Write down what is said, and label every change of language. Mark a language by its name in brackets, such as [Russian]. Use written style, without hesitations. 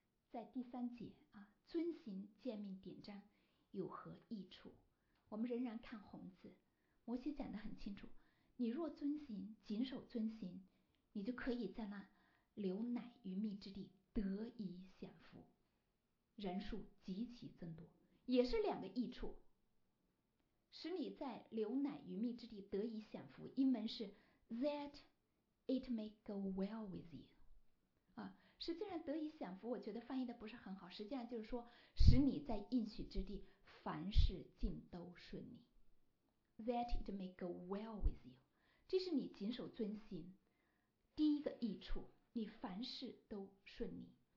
[Chinese] 在第3节啊，遵行诫命、典章有何益处，我们仍然看红字，摩西讲得很清楚，你若遵行，谨守遵行，你就可以在那流奶与蜜之地得以享福，人数极其增多，也是两个益处，使你在流奶与蜜之地得以享福。英文是 [English] that it may go well with you 啊， [Chinese] 实际上得以享福，我觉得翻译的不是很好，实际上就是说使你在应许之地凡事尽都顺利。 [English] That it may go well with you， [Chinese] 这是你谨守遵行第一个益处，你凡事都顺利。